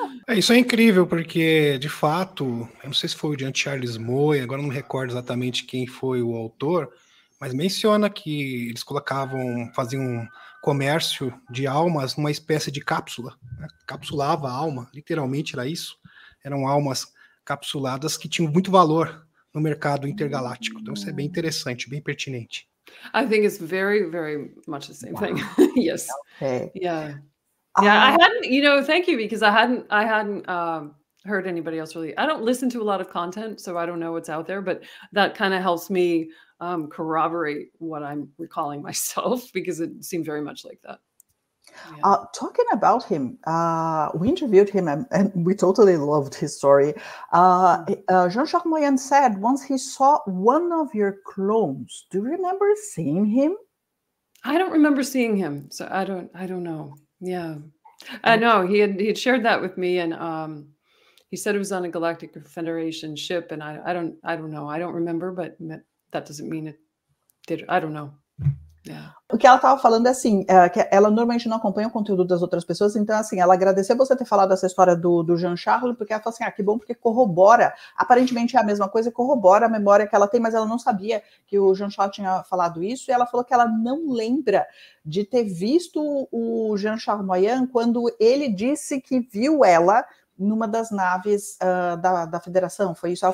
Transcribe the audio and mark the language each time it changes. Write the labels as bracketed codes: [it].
[pt] Isso é incrível, porque, de fato, eu não sei se foi o Jean Charles Moy, agora não me recordo exatamente quem foi o autor, mas menciona que eles faziam um comércio de almas numa espécie de cápsula, né? Capsulava a alma, literalmente era isso, eram almas capsuladas que tinham muito valor no mercado intergaláctico, então isso é bem interessante, bem pertinente. [en] I think it's very, very much the same thing. Yes. Okay. Yeah. Yeah, I hadn't, you know, thank you, because I hadn't heard anybody else really. I don't listen to a lot of content, so I don't know what's out there, but that kind of helps me corroborate what I'm recalling myself, because it seemed very much like that. Yeah. Talking about him, we interviewed him and we totally loved his story. Jean-Jacques Moyen said once he saw one of your clones. Do you remember seeing him? I don't remember seeing him, so I don't know. Yeah, I know he had shared that with me, and he said it was on a Galactic Federation ship, and I don't know, I don't remember, but that doesn't mean it did. I don't know. Yeah. [pt] O que ela estava falando é assim, que ela normalmente não acompanha o conteúdo das outras pessoas, então assim, ela agradeceu você ter falado essa história do Jean-Charles, porque ela falou assim, ah, que bom, porque corrobora, aparentemente é a mesma coisa, corrobora a memória que ela tem, mas ela não sabia que o Jean-Charles tinha falado isso, e ela falou que ela não lembra de ter visto o Jean-Charles Moyen quando ele disse que viu ela numa das naves da Federação, foi isso?